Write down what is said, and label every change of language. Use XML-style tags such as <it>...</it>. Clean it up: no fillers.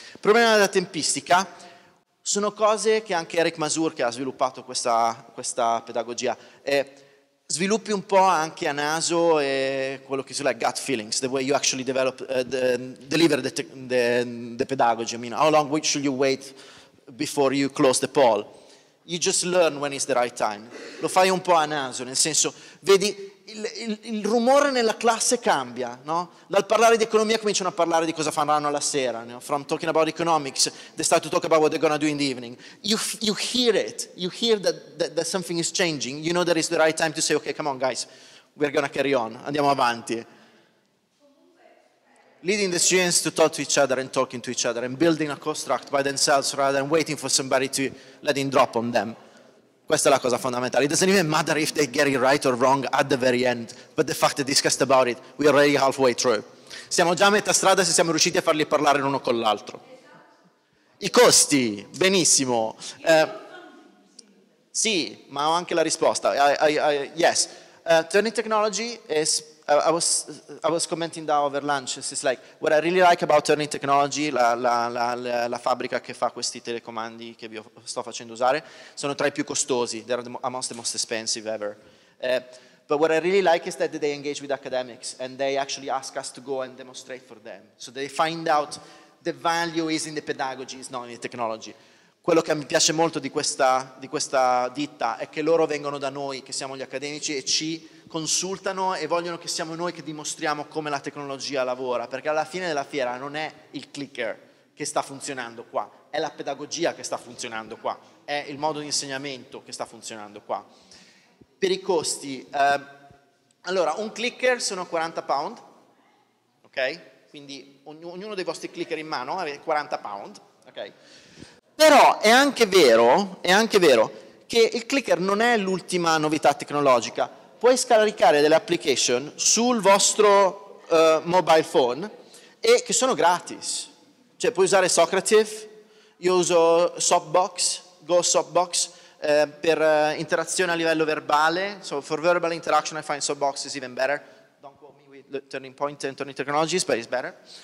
<it>Problema della tempistica. Sono cose che anche Eric Mazur, che ha sviluppato questa pedagogia, sviluppi un po' anche a naso e quello che si chiama gut feelings,</it> <en>the way you actually develop, deliver the pedagogy. I mean, how long should you wait before you close the poll? You just learn when is the right time.</en> <it>Lo fai un po' a naso, nel senso, vedi, il rumore nella classe cambia, no? Dal parlare di economia cominciano a parlare di cosa faranno la sera, no?</it> <en>From talking about economics, they start to talk about what they're gonna do in the evening. You hear it, you hear that something is changing, you know that is the right time to say, okay, come on guys, we're gonna carry on,</en> <it>andiamo avanti.</it> <en>Leading the students to talk to each other and talking to each other and building a construct by themselves rather than waiting for somebody to let in drop on them.</en> <it>Questa è la cosa fondamentale.</it> <en>It doesn't even matter if they get it right or wrong at the very end, but the fact they discussed about it, we're already halfway through.</en> <it>Siamo già a metà strada se siamo riusciti a farli parlare l'uno con l'altro. I costi, benissimo. Sì, ma ho anche la risposta.</it> <en>Yes. Turning technology is, I was commenting that over lunch, it's like, what I really like about Turning Technology,</en> <it>la fabbrica che fa questi telecomandi che vi sto facendo usare, sono tra i più costosi,</it> <en>they're amongst the most expensive ever. But what I really like is that they engage with academics and they actually ask us to go and demonstrate for them. So they find out the value is in the pedagogy, it's not in the technology.</en> <it>Quello che mi piace molto di questa ditta è che loro vengono da noi, che siamo gli accademici, e ci consultano e vogliono che siamo noi che dimostriamo come la tecnologia lavora, perché alla fine della fiera non è il clicker che sta funzionando qua, è la pedagogia che sta funzionando qua, è il modo di insegnamento che sta funzionando qua. Per i costi, allora, un clicker sono 40 pound, ok? Quindi ognuno dei vostri clicker in mano avete 40 pound, ok? Però è anche vero che il clicker non è l'ultima novità tecnologica. Puoi scaricare delle application sul vostro mobile phone e che sono gratis. Cioè puoi usare Socrative, io uso Softbox, Go Softbox, per interazione a livello verbale.</it> <en>So for verbal interaction I find Soapbox is even better. Don't quote me with turning point and turning technologies, but it's better.</en>